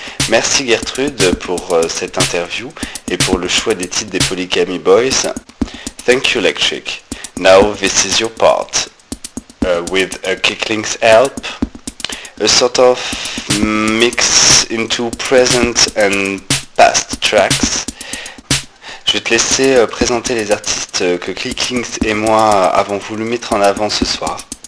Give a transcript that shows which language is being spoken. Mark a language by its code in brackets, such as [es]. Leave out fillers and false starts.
[fr] Merci Gertrude pour cette interview et pour le choix des titres des Polygamy Boys. [en] Thank you, Electric. Now this is your part. With a Kicklink's help, a sort of mix into present and past tracks. [fr] Je vais te laisser présenter les artistes que Kicklink's et moi avons voulu mettre en avant ce soir.